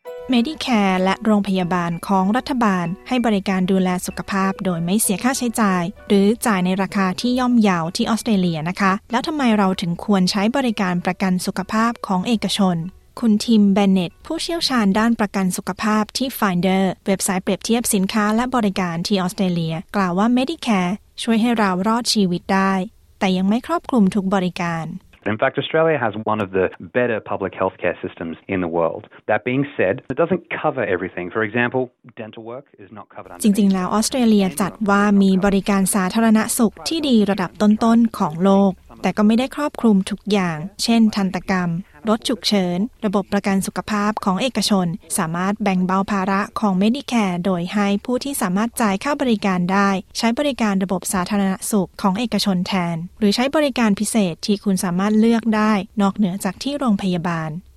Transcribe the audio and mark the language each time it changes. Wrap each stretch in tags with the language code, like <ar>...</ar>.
<th>เมดิแคร์และโรงพยาบาลของรัฐบาลให้บริการดูแลสุขภาพโดยไม่เสียค่าใช้จ่ายหรือจ่ายในราคาที่ย่อมเยาที่ออสเตรเลียนะคะแล้วทำไมเราถึงควรใช้บริการประกันสุขภาพของเอกชนคุณทิมเบนเน็ตผู้เชี่ยวชาญด้านประกันสุขภาพที่ Finder เว็บไซต์เปรียบเทียบสินค้าและบริการที่ออสเตรเลียกล่าวว่า Medicare ช่วยให้เรารอดชีวิตได้แต่ยังไม่ครอบคลุมทุกบริการ</th> <en>In fact Australia has one of the better public healthcare systems in the world That being said it doesn't cover everything for example dental work is not covered under</en> <th>จริงๆแล้วออสเตรเลียจัดว่ามีบริการสาธารณสุขที่ดีระดับต้นๆของโลกแต่ก็ไม่ได้ครอบคลุมทุกอย่างเช่นทันตกรรมรถฉุกเฉินระบบประกันสุขภาพของเอกชนสามารถแบ่งเบาภาระของ Medicare โดยให้ผู้ที่สามารถจ่ายค่าบริการได้ใช้บริการระบบสาธารณสุขของเอกชนแทนหรือใช้บริการพิเศษที่คุณสามารถเลือกได้นอกเหนือจากที่โรงพยาบาล</th>